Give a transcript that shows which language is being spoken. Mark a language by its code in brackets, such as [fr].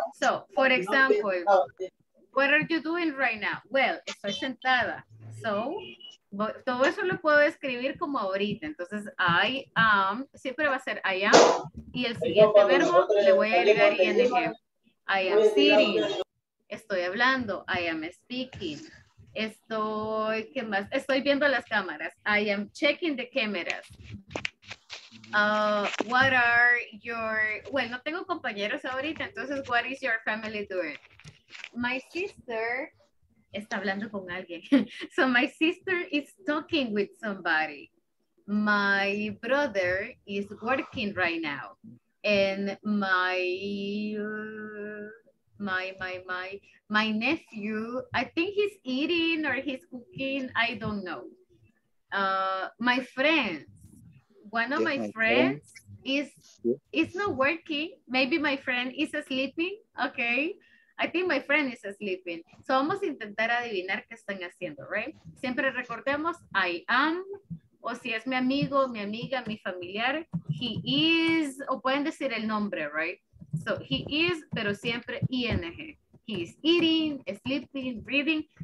[en] So, for example, what are you doing right now? [es] Well, estoy sentada. So, todo eso lo puedo escribir como ahorita. Entonces, I am, siempre va a ser I am. Y el siguiente verbo le voy a agregar ing. [en] I am sitting. [es] Estoy hablando. [en] I am speaking. [es] Estoy, ¿qué más? Estoy viendo las cámaras. [en] I am checking the cameras. What are your, well, [es] no tengo compañeros ahorita, entonces, [en] what is your family doing? My sister [es] está hablando con alguien. [en] So, my sister is talking with somebody. My brother is working right now. And my nephew, I think he's eating or he's cooking, I don't know. My friends, one of my friends is not working. Maybe my friend is sleeping, okay? I think my friend is sleeping. [es] So vamos a intentar adivinar qué están haciendo, right? Siempre recordemos, [en] I am, [es] o si es mi amigo, mi amiga, mi familiar, [en] he is, [es] o pueden decir el nombre, right? [en] So he is, [es] pero siempre [en] ing. He is eating, sleeping, breathing.